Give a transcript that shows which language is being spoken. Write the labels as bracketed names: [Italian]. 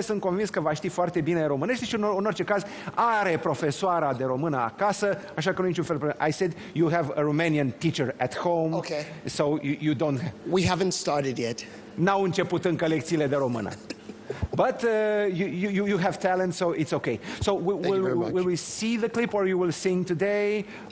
[Romanian] Sunt convins că va ști foarte bine românești și în orice caz are profesoara de română acasă, așa că nu e niciun fel de problemă. [English] I said you have a Romanian teacher at home. Okay. So you don't... We haven't started yet. [Romanian] N-au început încă lecțiile de română. [English] But you have talent, so it's okay. So will we see the clip or you will sing today?